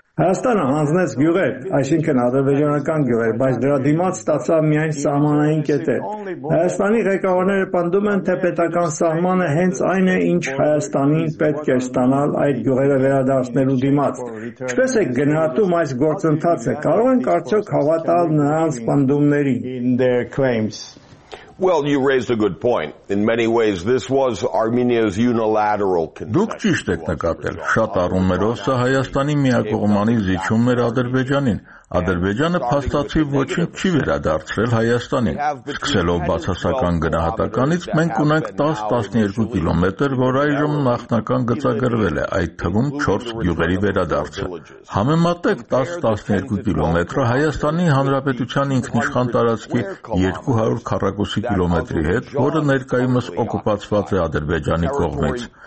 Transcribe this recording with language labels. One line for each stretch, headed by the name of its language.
Armenian: Հայաստանը հանձնեց գյուղեր, այսինքն ադրբեջանական գյուղեր, բայց դրա դիմաց ստացավ միայն սահմանային կետեր։ Հայաստանի ղեկավարները պնդում են, թե պետական սահմանը հենց այն է, ինչ Հայաստանին պետք է ստանալ այդ գյուղերը վերադարձնելու դիմաց։ Ինչպես է գնահատում այս գործընթացը, կարող ենք արդյոք հավատալ նրանց պնդումներին։
English: Well, you raised a good point. In many ways, this was Armenia's unilateral concession.
Armenian: Դուք ճիշտ եք նկատել, շատ առումներով սա Հայաստանի միակողմանի զիջումն էր Ադրբեջանին։ Ադրբեջանը փաստացի ոչինչ չի վերադարձրել Հայաստանին։ Սկսելով բացասական գնահատականից, մենք ունենք 10-12 կիլոմետր, որ այժմ նախնական գծագրվել է, այդ թվում 4 գյուղերի վերադարձը։ Համեմատեք 10-12 կիլոմետրը Հայաստանի Հանրապետության ինքնիշխան տարածքի 200 քառակուսի կիլոմետրի հետ, որը ներկայումս օկուպացված է Ադրբեջանի կողմից։